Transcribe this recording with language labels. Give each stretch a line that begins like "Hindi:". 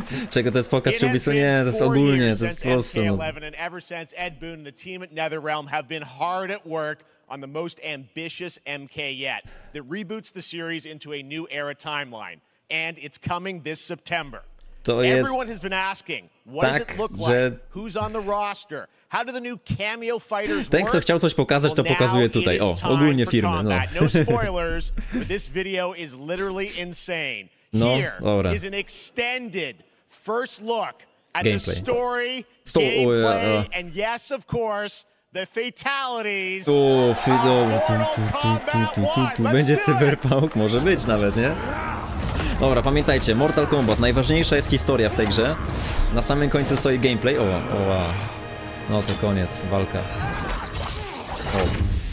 Polish: Czego to jest pokaz Ubisoftu? Nie, to jest ogólnie, to jest po prostu.
English: And ever since Ed Boon and the team at NetherRealm have been hard at work on the most ambitious MK yet, that reboots the series into a new era timeline, and it's coming this September.
Polish: To jest
English: everyone has been asking, what does it look like? Że... Who's on the roster? How do the new cameo fighters work?
Polish: Ten, kto chciał coś pokazać, to pokazuje tutaj. O, ogólnie firmy. No.
English: No spoilers, but this video is literally insane. No, here
Polish: dobra.
English: Is an extended first look at gameplay. The story, gameplay, and yes, of course, the fatalities.
Polish: O, tu będzie cyberpunk, może być nawet, nie? Dobra, pamiętajcie, Mortal Kombat, najważniejsza jest historia w tej grze. Na samym końcu stoi gameplay. O, o, no to koniec, walka. O.